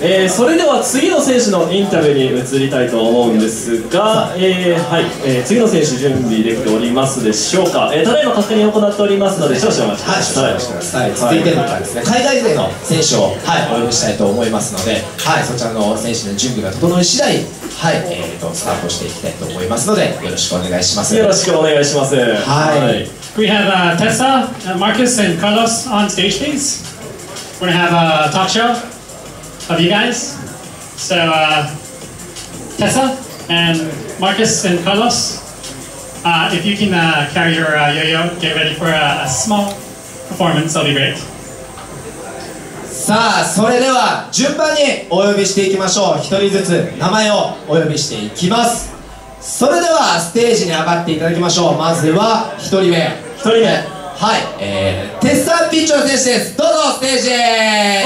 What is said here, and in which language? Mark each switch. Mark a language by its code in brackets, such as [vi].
[ja] それでは次の選手のインタビューに移りたいと思うんですが、はい、次の選手準備できておりますでしょうか。ただいま確認を行っておりますので少々お待ちください。はい、少々お待ちください。続いてのですね、海外勢の選手を、はい、お呼びしたいと思いますので、はい、そちらの選手の準備が整い次第、はい、スタートしていきたいと思いますので、よろしくお願いします。よろしくお願いします。はい、はい、 [en] We have Tessa, Marcus and Carlos on stage please. We're gonna have a talk showof you guys. So, Tessa and Marcus and Carlos, if you can carry your yo-yo, get ready for a small performance, that'll be great. [ja] さあ、それでは順番にお呼びしていきましょう。一人ずつ名前をお呼びしていきます。それではステージに上がっていただきましょう。まずは一人目。一人目。はい、テッサン・ピッチョン選手です。どうぞステージへ。